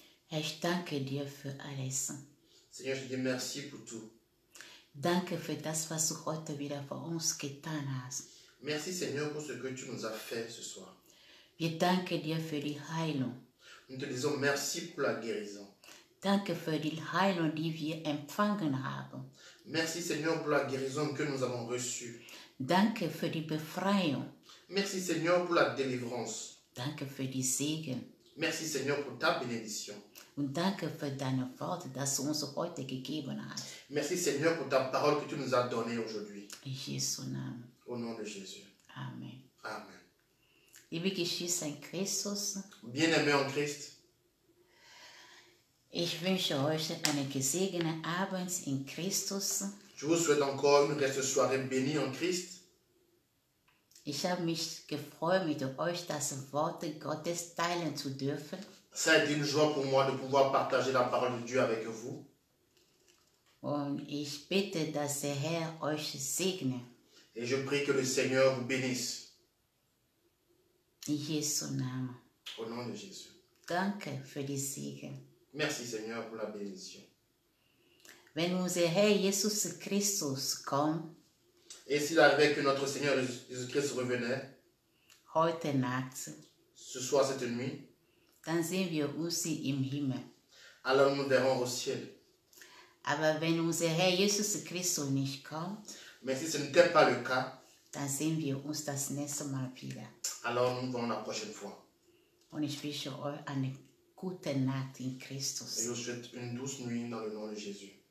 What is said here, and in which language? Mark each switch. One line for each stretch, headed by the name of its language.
French: Et je
German: danke Dieu für alles.
French: Seigneur, je dis merci pour tout.
German: Danke für das, was du heute wieder für uns getan hast.
French: Merci Seigneur pour ce que tu nous as fait ce soir.
German: Wir danke Dieu für die Heilung.
French: Nous te disons merci pour la guérison.
German: Danke für die Heilung, die wir empfangen haben.
French: Merci Seigneur pour la guérison que nous avons reçue.
German: Danke für die Befreiung.
French: Merci Seigneur pour la délivrance.
German: Danke für die Segen.
French: Merci Seigneur pour ta bénédiction.
German: Und danke für deine Worte, das uns heute gegeben hat.
French: Merci Seigneur pour ta parole que tu nous as donnée aujourd'hui.
German: In Jesu Namen.
French: Au nom de Jésus.
German: Amen.
French: Amen.
German: Liebe Geschwister in Christus.
French: Bien-aimé en Christ.
German: Ich wünsche euch einen gesegneten Abend in Christus.
French: Je vous souhaite encore une reste soirée bénie en Christ.
German: Ich habe mich gefreut, mit euch das Wort Gottes teilen zu dürfen.
French: Ça a été une joie pour moi de pouvoir partager la parole de Dieu avec vous.
German: Und ich bitte, dass der Herr euch segne.
French: Et je prie que le Seigneur vous bénisse.
German: In Jesu Namen.
French: Au nom de Jésus.
German: Danke für die Segen.
French: Merci Seigneur pour la bénédiction.
German: Wenn unser Herr Jesus Christus kommt,
French: et s'il arrivait que notre Seigneur Jésus-Christ revenait
German: heute Nacht,
French: ce soir, cette nuit,
German: dann sehen wir uns im Himmel.
French: Alors nous verrons au ciel.
German: Aber wenn unser Herr Jesus Christus nicht kommt,
French: mais si ce n'était pas le cas,
German: dann sehen wir uns das nächste Mal wieder.
French: Alors nous verrons la prochaine fois.
German: Und ich wünsche euch eine gute Nacht in Christus.
French: Et je vous souhaite une douce nuit dans le nom de Jésus.